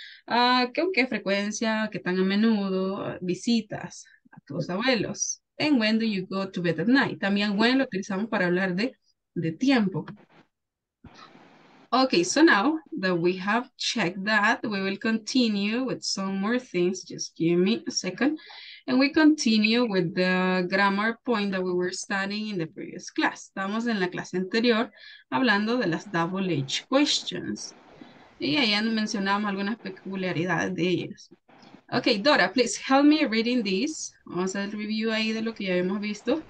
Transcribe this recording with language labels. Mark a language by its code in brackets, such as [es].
[es] ¿Con qué frecuencia, qué tan a menudo visitas a tus abuelos? [en] And when do you go to bed at night? [es] También when lo utilizamos para hablar de tiempo. [en] Okay, so now that we have checked that, we will continue with some more things. Just give me a second. And we continue with the grammar point that we were studying in the previous class. [es] Estamos en la clase anterior hablando de las double H questions. Y ahí mencionamos algunas peculiaridades de ellas. [en] Okay, Dora, please help me reading this. [es] Vamos a hacer el review ahí de lo que ya hemos visto.